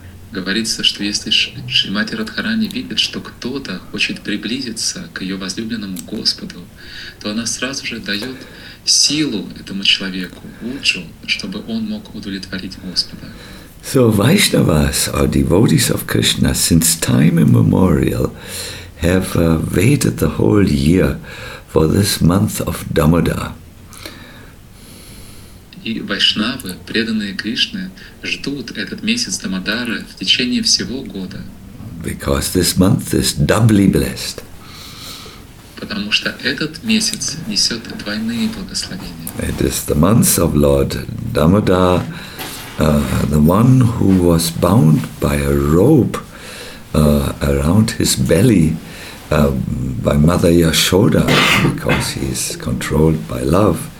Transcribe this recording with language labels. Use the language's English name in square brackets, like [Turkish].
[Russian] Говорится, что если Шримати Радхарани видит, что кто-то хочет приблизиться к ее возлюбленному Господу, то она сразу же дает силу этому человеку, урджу, чтобы он мог удовлетворить Господа. [English] So Vaishnavas, or devotees of Krishna, since time immemorial, have waited the whole year for this month of Damodar. [Russian] И вайшнавы, преданные Кришне, ждут этот месяц Дамодары в течение всего года. [English] Because this month is doubly blessed. [Russian] Потому что этот месяц несет двойные благословения. [English] It is the month of Lord Damodar, the one who was bound by a rope around his belly by Mother Yashoda, because he is controlled by love.